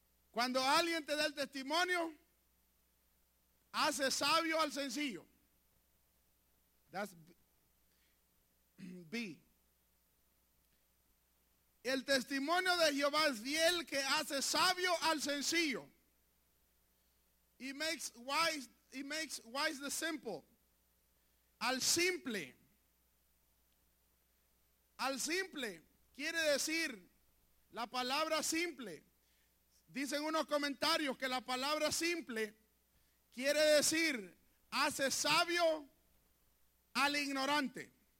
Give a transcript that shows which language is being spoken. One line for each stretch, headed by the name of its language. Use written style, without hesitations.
Spanish: Cuando alguien te da el testimonio, hace sabio al sencillo.
English: That's B.
Spanish: El testimonio de Jehová es fiel, que hace sabio al sencillo.
English: He makes wise the simple.
Spanish: Al simple. Al simple quiere decir la palabra simple. Dicen unos comentarios que la palabra simple quiere decir hace sabio al ignorante.